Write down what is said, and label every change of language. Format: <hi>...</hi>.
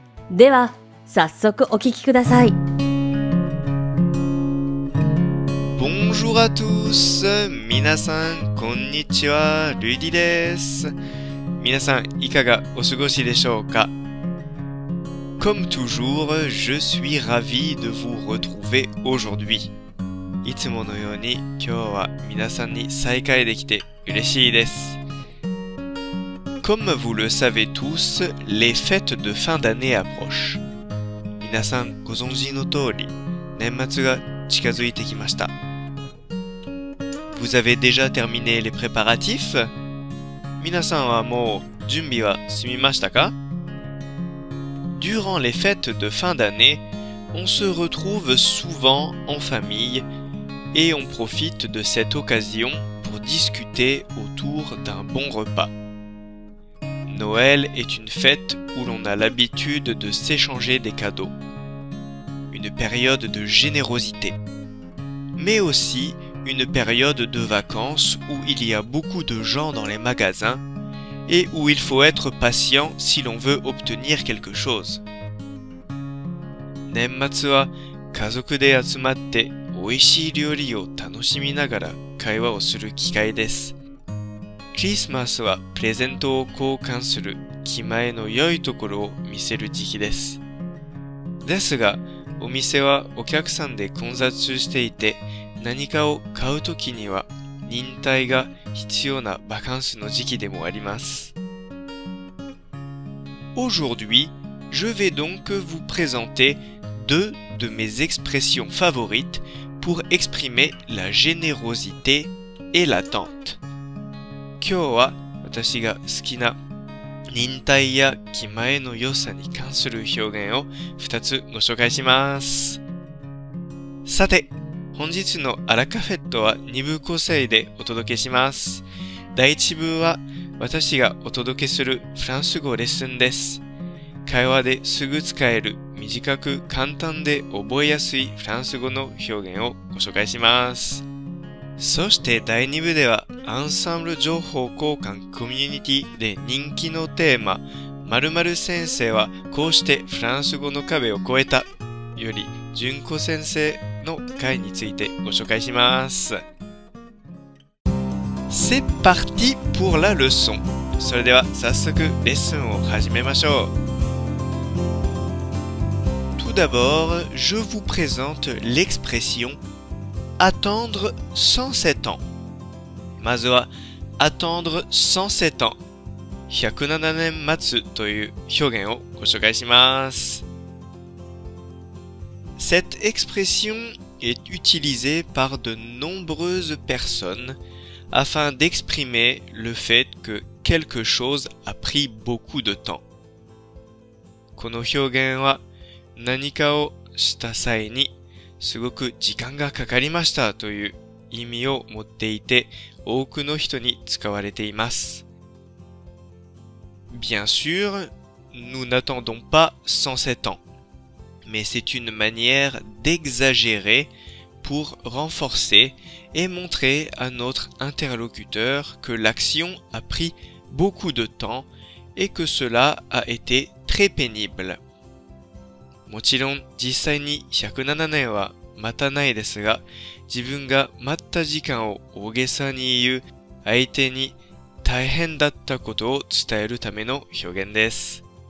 <ja>では早速お聞きください。</ja> <fr>Bonjour à tous、</fr> <ja>皆さんこんにちは、ルディです。皆さんいかがお過ごしでしょうか。</ja> <fr>Comme toujours, je suis ravi de vous retrouver aujourd'hui。</fr> <ja>いつものように今日は皆さんに再会できて嬉しいです。</ja> <fr>Comme vous le savez tous, les fêtes de fin d'année approchent.</fr> <ja>皆さんご存知の通り、年末が近づいてきました。</ja> <fr>Vous avez déjà terminé les préparatifs?</fr> <ja>皆さんはもう準備は済みましたか?</ja> <fr>Durant les fêtes de fin d'année, on se retrouve souvent en famille et on profite de cette occasion pour discuter autour d'un bon repas. Noël est une fête où l'on a l'habitude de s'échanger des cadeaux. Une période de générosité. Mais aussi une période de vacances où il y a beaucoup de gens dans les magasins et où il faut être patient si l'on veut obtenir quelque chose.</fr> <ja>年末は家族で集まって美味しい料理を楽しみながら会話をする機会です。クリスマスはプレゼントを交換する気前の良いところを見せる時期です。ですが、お店はお客さんで混雑していて、何かを買うときには忍耐が必要なバカンスの時期でもあります。</ja> <fr>Aujourd'hui, je vais donc vous présenter deux de mes expressions favorites pour exprimer la générosité et l'attente.</fr> <ja>今日は私が好きな忍耐や気前の良さに関する表現を2つご紹介します。さて、本日のアラカフェットは2部構成でお届けします。第1部は私がお届けするフランス語レッスンです。会話ですぐ使える短く簡単で覚えやすいフランス語の表現をご紹介します。そして第2部ではアンサンブル情報交換コミュニティで人気のテーマ、〇〇先生はこうしてフランス語の壁を越えたより純子先生の回についてご紹介します。</ja> <fr>C'est parti pour la leçon。</fr> <ja>それでは早速レッスンを始めましょう。</ja> <fr>Tout d'abord, je vous présente l'expressionAttendre 107 ans. まずは、attendre 107 ans.</fr> <ja>107年待つという表現をご紹介します。</ja> <fr>Cette expression est utilisée par de nombreuses personnes afin d'exprimer le fait que quelque chose a pris beaucoup de temps.</fr> <ja>この表現は、何かをした際にすごく時間がかかりましたという意味を持っていて、多くの人に使われています。</ja> <fr>Bien sûr, nous n'attendons pas 107 ans. Mais c'est une manière d'exagérer pour renforcer et montrer à notre interlocuteur que l'action a pris beaucoup de temps et que cela a été très pénible.</fr> <ja>もちろん実際に107年は待たないですが、自分が待った時間を大げさに言う相手に大変だったことを伝えるための表現です。</ja>